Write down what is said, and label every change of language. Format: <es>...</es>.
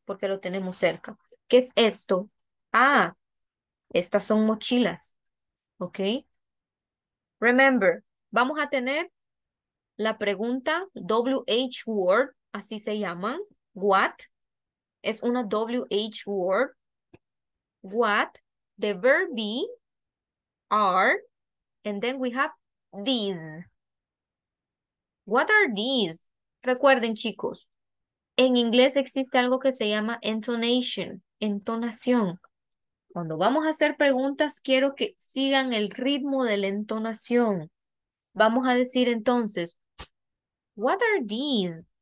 <es>Porque lo tenemos cerca. ¿Qué es esto? Ah, estas son mochilas. ¿Ok?</es> <en>Remember,</en> <es>vamos a tener la pregunta WH word, así se llaman. What? Es una WH word. What?</es> <en>The verb be, are, and then we have these. What are these?</en> <es>Recuerden, chicos, en inglés existe algo que se llama intonation, entonación. Cuando vamos a hacer preguntas, quiero que sigan el ritmo de la entonación. Vamos a decir entonces,</es> <en>what are these?</en>